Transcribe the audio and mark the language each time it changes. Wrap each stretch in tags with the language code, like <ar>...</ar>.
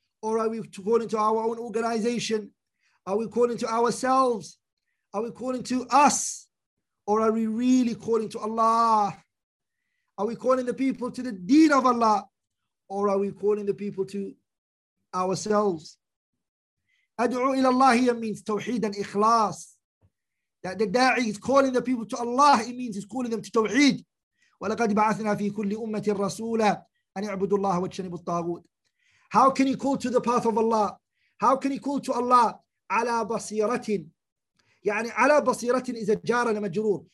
<en>Or are we calling to our own organization? Are we calling to ourselves? Are we calling to us? Or are we really calling to Allah? Are we calling the people to the deen of Allah? Or are we calling the people to ourselves?</en> <ar>أدعو إلى الله means توحيد and إخلاص.</ar> <en>That the da'i is calling the people to Allah, it means he's calling them to توحيد.</en> <ar>وَلَقَدْ بَعَثْنَا فِي كُلِّ أُمَّةٍ رَسُولًا أَنْ يَعْبُدُ اللَّهَ وَاتْشَنِبُ الطَّاغُوتِ</ar> <en>How can you call to the path of Allah? How can you call to Allah?</en> <ar>عَلَى بَصِيرَةٍ يعني عَلَى بَصِيرَةٍ</ar> <en>is a jar and a majroor.</en>